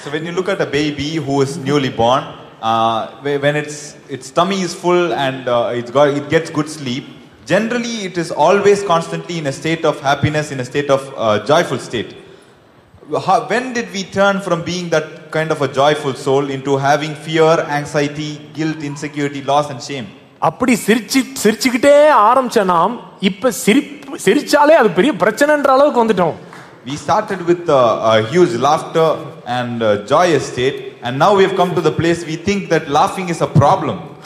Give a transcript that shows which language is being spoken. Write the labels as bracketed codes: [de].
[en] So when you look at a baby who is newly born, when its tummy is full and it gets good sleep, generally it is always constantly in a state of happiness, in a state of joyful state. When did we turn from being that kind of a joyful soul into having fear, anxiety, guilt, insecurity, loss and shame? [ta] அப்படி சிரிச்சு சிரிச்சுக்கிட்டே ஆரம்பிச்சனாம் இப்ப சிரிப்பு சிரிச்சாலே அது பெரிய பிரச்சனைன்ற அளவுக்கு வந்துட்டோம். [en] We started with a huge laughter and a joyous state and now we have come to the place we think that laughing is a problem.